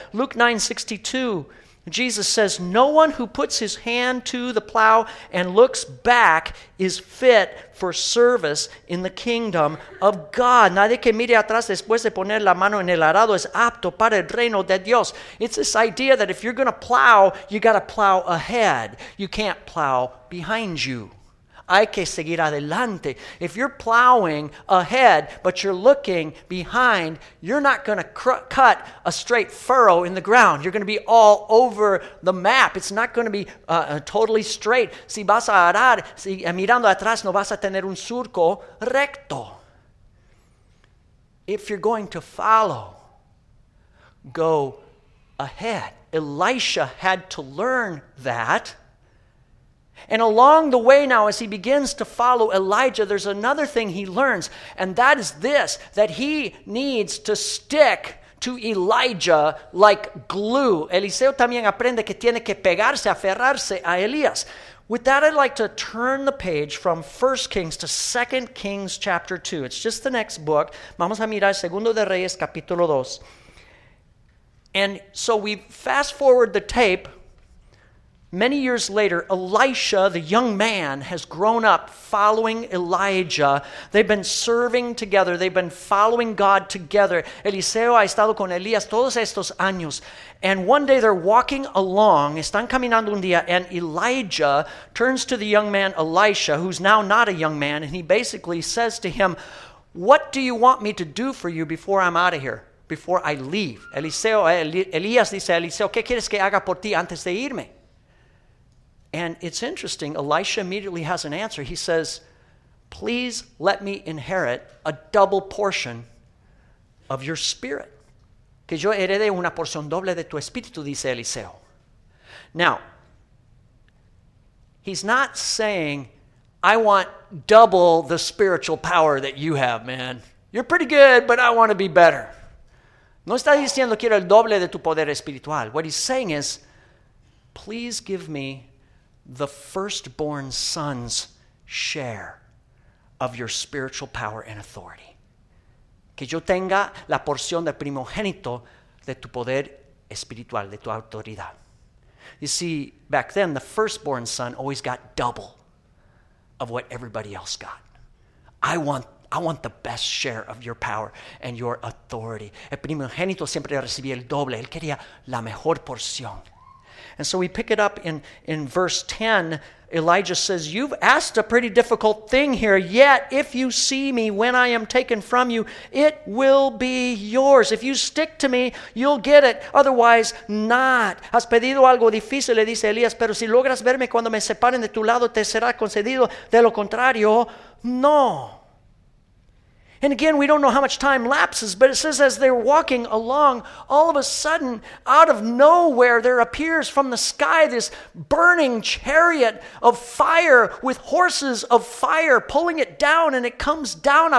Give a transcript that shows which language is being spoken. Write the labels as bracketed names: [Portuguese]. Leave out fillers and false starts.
[English] Luke 9:62, Jesus says, "No one who puts his hand to the plow and looks back is fit for service in the kingdom of God." [Spanish] Nadie que mire atrás después de poner la mano en el arado es apto para el reino de Dios. [English] It's this idea that if you're going to plow, you got to plow ahead. You can't plow behind you. [Spanish] Hay que seguir adelante. [English] If you're plowing ahead, but you're looking behind, you're not going to cut a straight furrow in the ground. You're going to be all over the map. It's not going to be totally straight. [Spanish] Si vas a arar, si mirando atrás, no vas a tener un surco recto. [English] If you're going to follow, go ahead. Elisha had to learn that. And along the way now, as he begins to follow Elijah, there's another thing he learns, and that is this, that he needs to stick to Elijah like glue. [Spanish] Eliseo también aprende que tiene que pegarse, aferrarse a Elías. [English] With that, I'd like to turn the page from 1 Kings to 2 Kings chapter 2. It's just the next book. [Spanish] Vamos a mirar Segundo de Reyes capítulo 2. [English] And so we fast forward the tape. Many years later, Elisha, the young man, has grown up following Elijah. They've been serving together. They've been following God together. [Spanish] Eliseo ha estado con Elías todos estos años. [English] And one day they're walking along. [Spanish] Están caminando un día. [English] And Elijah turns to the young man, Elisha, who's now not a young man. And he basically says to him, "What do you want me to do for you before I'm out of here, before I leave?" [Spanish] Elías dice, "Eliseo, ¿qué quieres que haga por ti antes de irme?" [English] And it's interesting, Elisha immediately has an answer. He says, "Please let me inherit a double portion of your spirit." [Spanish] Que yo herede una porción doble de tu espíritu, dice Eliseo. [English] Now, he's not saying, "I want double the spiritual power that you have, man. You're pretty good, but I want to be better." [Spanish] No está diciendo, "Quiero el doble de tu poder espiritual." [English] What he's saying is, "Please give me the firstborn son's share of your spiritual power and authority. [Spanish] Que yo tenga la porción de primogénito de tu poder espiritual, de tu autoridad." [English] You see, back then, the firstborn son always got double of what everybody else got. I want the best share of your power and your authority. [Spanish] El primogénito siempre recibía el doble. Él quería la mejor porción. [English] And so we pick it up in verse 10. Elijah says, "You've asked a pretty difficult thing here. Yet if you see me when I am taken from you, it will be yours. If you stick to me, you'll get it. Otherwise, not." [Spanish] Has pedido algo difícil, le dice Elías, pero si logras verme cuando me separen de tu lado, te será concedido. De lo contrario, no. [English] And again, we don't know how much time lapses, but it says as they're walking along, all of a sudden, out of nowhere, there appears from the sky this burning chariot of fire with horses of fire pulling it down, and it comes down.